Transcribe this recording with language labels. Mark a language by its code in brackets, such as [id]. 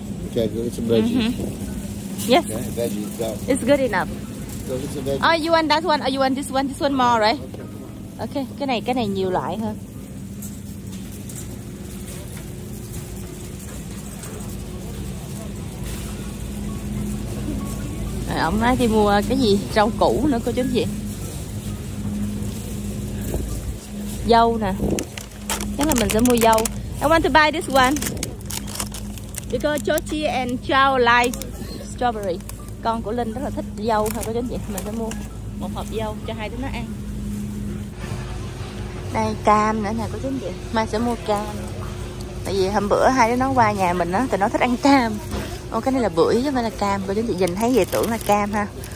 [en] Okay, go get some veggies. Mm-hmm. Yes. Okay, veggies, go. It's good enough. Go get some veggies. Oh, you want that one, or you want this one? This one more, right? Okay. [vi] Okay, cái này nhiều loại hơn. Ông nói đi mua cái gì rau củ nữa cô chú anh chị, dâu nè, chắc là mình sẽ mua dâu. [en] I want to buy this one because Chochi and Chow like strawberry. [vi] Con của Linh rất là thích dâu thôi cô chú anh chị, mình sẽ mua một hộp dâu cho hai đứa nó ăn. Đây cam nữa nè cô chú anh chị, mai sẽ mua cam tại vì hôm bữa hai đứa nó qua nhà mình á thì nó thích ăn cam. Ô cái này là bưởi chứ không phải là cam. Cô chú chị nhìn thấy vậy tưởng là cam ha.